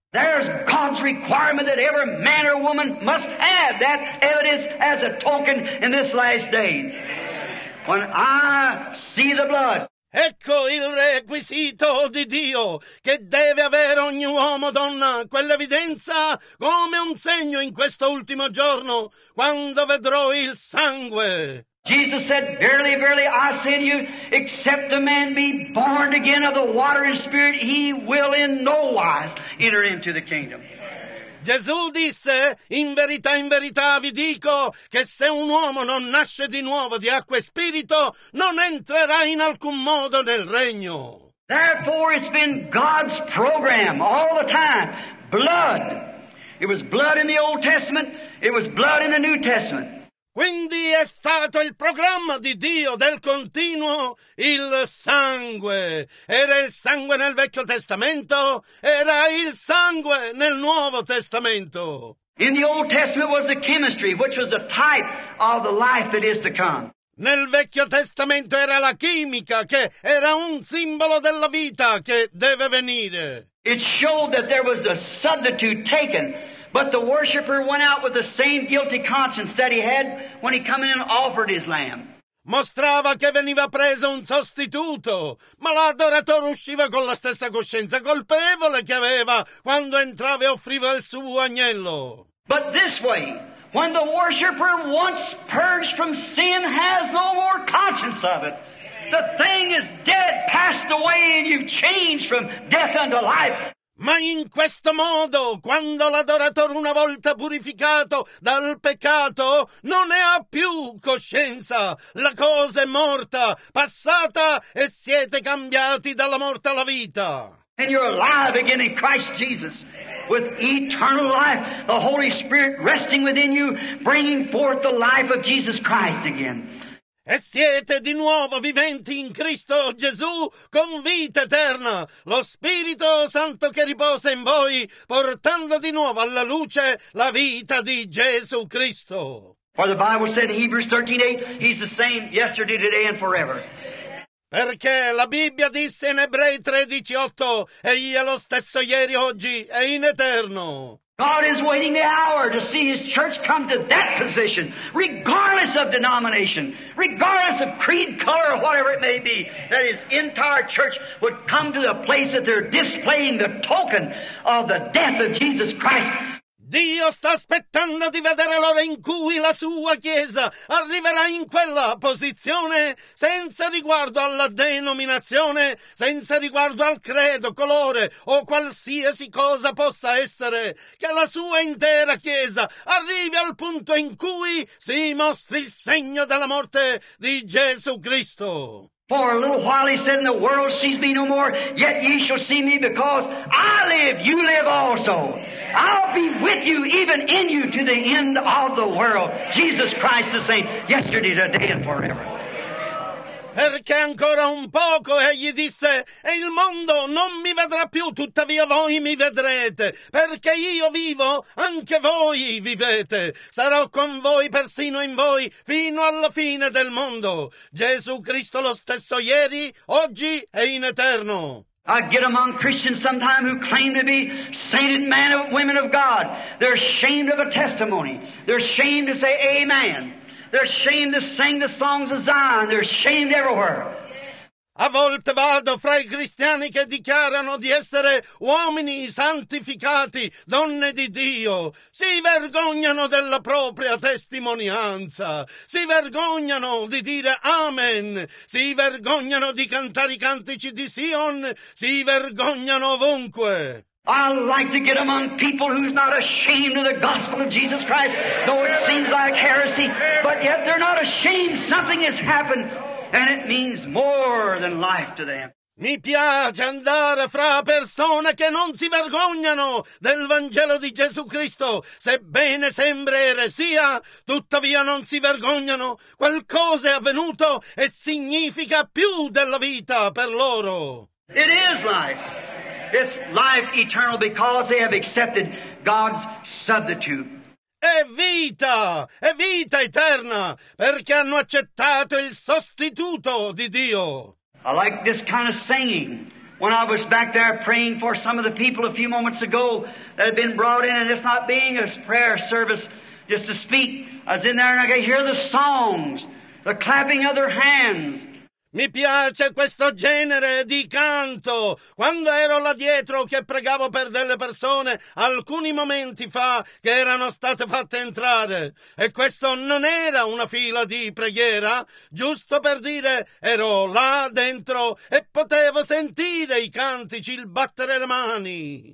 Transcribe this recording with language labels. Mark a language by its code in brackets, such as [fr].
[en] There's God's requirement that every man or woman must have that evidence as a token in this last day. When I see the blood. [it] Ecco il requisito di Dio che deve avere ogni uomo o donna, quell'evidenza come un segno in questo ultimo giorno, quando vedrò il sangue. [en] Jesus said, verily, verily, I say to you, except a man be born again of the water and spirit, he will in no wise enter into the kingdom. [it] Gesù disse, in verità vi dico, che se un uomo non nasce di nuovo di acqua e spirito, non entrerà in alcun modo nel regno. [en] Therefore it's been God's program all the time, blood. It was blood in the Old Testament, it was blood in the New Testament. [it] Quindi è stato il programma di Dio del continuo, il sangue. Era il sangue nel Vecchio Testamento, era il sangue nel Nuovo Testamento. [en] In the Old Testament was the chemistry, which was a type of the life that is to come. [it] Nel Vecchio Testamento era la chimica, che era un simbolo della vita che deve venire. [en] It showed that there was a substitute taken But the worshipper went out with the same guilty conscience that he had when he came in and offered his lamb. [it] Mostrava che veniva preso un sostituto, ma l'adoratore usciva con la stessa coscienza colpevole che aveva quando entrava e offriva il suo agnello. [en] But this way, when the worshipper once purged from sin has no more conscience of it. The thing is dead, passed away, and you've changed from death unto life. [it] Ma in questo modo, quando l'adoratore una volta purificato dal peccato, non ne ha più coscienza. La cosa è morta, passata, e siete cambiati dalla morte alla vita. [en] And you're alive again in Christ Jesus, with eternal life, the Holy Spirit resting within you, bringing forth the life of Jesus Christ again. [it] E siete di nuovo viventi in Cristo Gesù con vita eterna, lo Spirito Santo che riposa in voi, portando di nuovo alla luce la vita di Gesù Cristo. [en] For the Bible said in Hebrews 13:8, He's the same yesterday, today and forever. [it] Perché la Bibbia disse in Ebrei 13:8, Egli è lo stesso ieri, oggi e in eterno. [en] God is waiting the hour to see His church come to that position, regardless of denomination, regardless of creed, color, or whatever it may be, that His entire church would come to the place that they're displaying the token of the death of Jesus Christ. [it] Dio sta aspettando di vedere l'ora in cui la sua Chiesa arriverà in quella posizione, senza riguardo alla denominazione, senza riguardo al credo, colore o qualsiasi cosa possa essere, che la sua intera Chiesa arrivi al punto in cui si mostri il segno della morte di Gesù Cristo. [en] For a little while, he said, and the world sees me no more, yet ye shall see me, because I live, you live also. I'll be with you, even in you, to the end of the world. Jesus Christ the same, yesterday, today, and forever. [it] Perché ancora un poco, egli disse, e il mondo non mi vedrà più, tuttavia voi mi vedrete, perché io vivo, anche voi vivete. Sarò con voi, persino in voi, fino alla fine del mondo. Gesù Cristo lo stesso ieri, oggi e in eterno. [en] I get among Christians sometime who claim to be sainted men and women of God. They're ashamed of a testimony. They're ashamed to say amen. They're ashamed to sing the songs of Zion. They're ashamed everywhere. [it] A volte vado fra i cristiani che dichiarano di essere uomini santificati, donne di Dio. Si vergognano della propria testimonianza. Si vergognano di dire Amen. Si vergognano di cantare i cantici di Sion. Si vergognano ovunque. [en] I like to get among people who's not ashamed of the gospel of Jesus Christ, though it seems like heresy, but yet they're not ashamed. Something has happened, and it means more than life to them. [it] Mi piace andare fra persone che non si vergognano del Vangelo di Gesù Cristo, sebbene sembra eresia, tuttavia non si vergognano. Qualcosa è avvenuto e significa più della vita per loro. [en] It is life. It's life eternal because they have accepted God's substitute. [it] È vita eterna perché hanno accettato il sostituto di Dio. [en] I like this kind of singing. When I was back there praying for some of the people a few moments ago that had been brought in, and it's not being a prayer service just to speak, I was in there and I could hear the songs, the clapping of their hands. [it] Mi piace questo genere di canto. Quando ero là dietro che pregavo per delle persone alcuni momenti fa che erano state fatte entrare, e questo non era una fila di preghiera, giusto per dire, ero là dentro e potevo sentire i cantici, il battere le mani.